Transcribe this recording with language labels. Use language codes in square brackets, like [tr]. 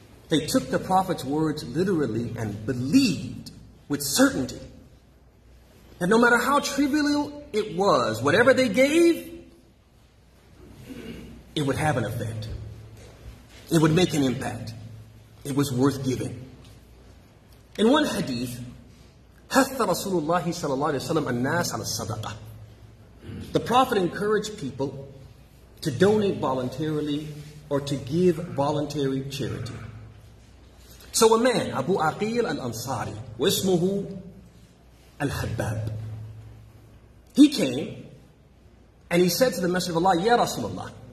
[en] They took the Prophet's words literally and believed with certainty that no matter how trivial it was, whatever they gave, it would have an effect. It would make an impact. It was worth giving. In one hadith, [ar] حَثَّ رَسُولُ اللَّهِ صَلَى اللَّهِ وَسَلَّمَ النَّاسَ عَلَى الصَّدَقَةِ. [en] The Prophet encouraged people to donate voluntarily or to give voluntary charity. So a man, Abu Aqil Al-Ansari, وَاسْمُهُ Al-Habbab, he came and he said to the Messenger of Allah, [ar] يَا رَسُولَ اللَّهِ